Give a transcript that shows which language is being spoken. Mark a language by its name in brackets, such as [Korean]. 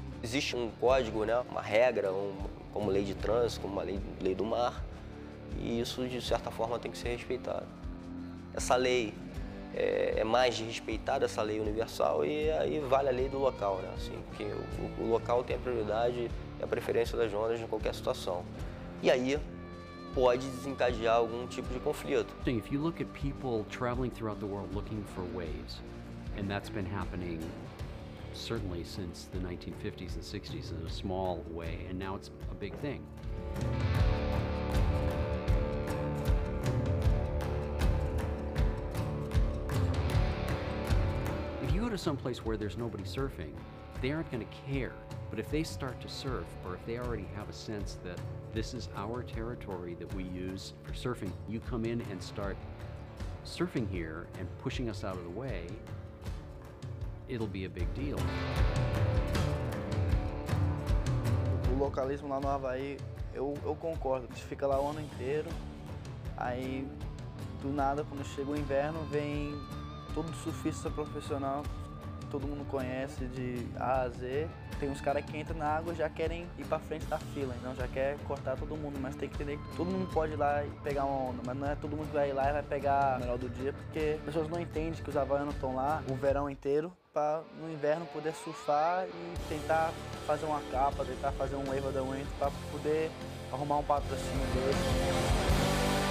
[Portuguese] Existe um código, né? Uma regra, como lei de trânsito, como uma lei do mar, e isso, de certa forma, tem que ser respeitado. Essa lei é mais de respeitar, essa lei universal, e aí vale a lei do local, né? Assim, porque o local tem a prioridade e a preferência das ondas em qualquer situação. E aí, pode desencadear algum tipo de conflito. [English] If you look at people traveling throughout the world looking for waves, and that's been happening certainly since the 1950s and 60s in a small way, and now it's a big thing. If you go to some place where there's nobody surfing, they aren't going to care. But if they start to surf, or if they already have a sense that this is our territory that we use for surfing, you come in and start surfing here and pushing us out of the way, it'll be a big deal. [Portuguese] O localismo lá no Havaí, eu concordo, você fica lá o ano inteiro, aí do nada, quando chega o inverno, vem todo surfista profissional, todo mundo conhece de A a Z. Tem uns caras que entram na água e já querem ir pra frente da fila, então já quer cortar todo mundo, mas tem que entender que todo mundo pode ir lá e pegar uma onda, mas não é todo mundo que vai ir lá e vai pegar o melhor do dia, porque as pessoas não entendem que os havaianos estão lá o verão inteiro pra no inverno poder surfar e tentar fazer uma capa, tentar fazer um [English] wave of the wind [Portuguese] pra poder arrumar um patrocínio dele.